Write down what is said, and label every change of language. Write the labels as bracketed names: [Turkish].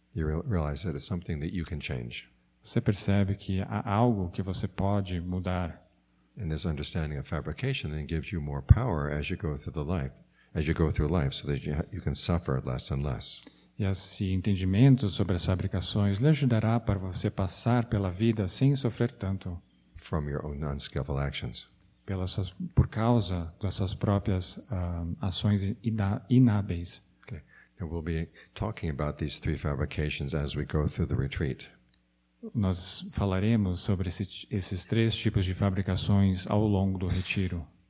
[English] You realize that it's something that you can change. [Portuguese] Você percebe que há algo que você pode mudar. [English] And this understanding of fabrication then gives you more power as you go through the life, as you go through life, so that you can suffer less and less. [Portuguese] E esse entendimento sobre as fabricações lhe ajudará para você passar pela vida sem sofrer tanto. [English] From your own unskillful actions. [Portuguese] Por causa das suas próprias ações inábeis. [English] Okay. Now we'll be talking about these three fabrications as we go through the retreat. [Portuguese] Nós falaremos sobre esses três tipos de fabricações ao longo do retiro.